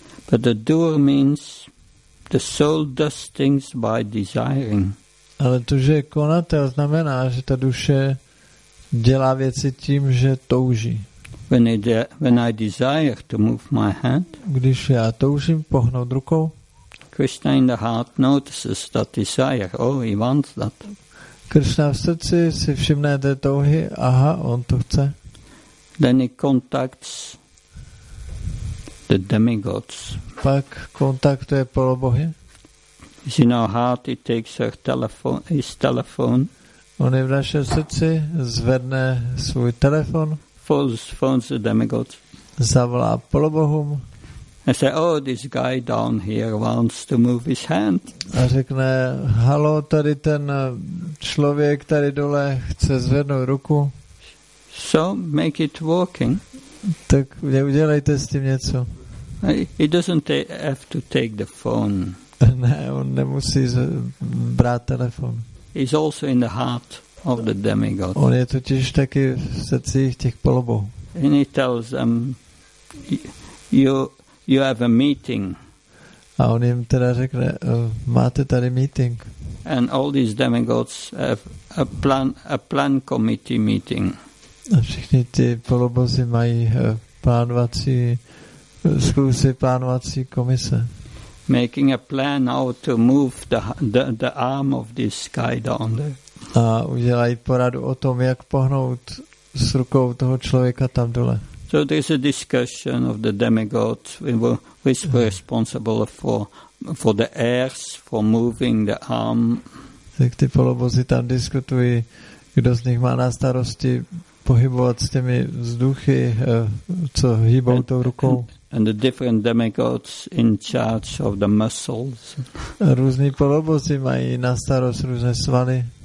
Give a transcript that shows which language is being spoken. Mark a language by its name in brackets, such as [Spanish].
[English] But the doer means the soul does things by desiring. [Czech] Ale to, že konatel, znamená, že ta duše dělá věci tím, že touží. [English] When I desire to move my hand, [Czech] když já toužím pohnout rukou, [English] Krishna in the heart notices that desire. Oh, he wants that. [Czech] Krishna v srdci si všimne té touhy. Aha, on to chce. [English] Then he contacts the demigods. [Czech] Pak kontaktuje polobohy. [English] Is in our heart, he takes his telephone. [Czech] On je v našem srdci, zvedne svůj telefon. [English] Phones the demigods. [Czech] Zavolá polobohům. [English] And say, oh, this guy down here wants to move his hand. [Czech] A řekne, halo, tady ten člověk tady dole chce zvednout ruku. [English] So make it working. [Czech] Tak udělejte s tím něco. [English] He doesn't have to take the phone. [Czech] Ne, on nemusí brát telefon. [English] He's also in the heart of the demigod. [Czech] On je totiž taky v srdcích těch polobohů. [English] And he tells them, you have a meeting. [Czech] A on jim teda řekne, máte tady meeting. [English] And all these demigods have a plan committee meeting. [Czech] A všichni ty polobozy mají plánovací komise. [English] Making a plan how to move the arm of this guy down there. [Czech] A udělají poradu o tom, jak pohnout s rukou toho člověka tam dole. [English] So there's a discussion of the demigods who is responsible for the heirs, for moving the arm. [Czech] Tak ty polobozy tam diskutují, kdo z nich má na starosti pohybovat s těmi vzduchy, co hýbou tou rukou. [English] And the different demigods in charge of the muscles. [Czech] Různí polobozy mají na starost různé svaly.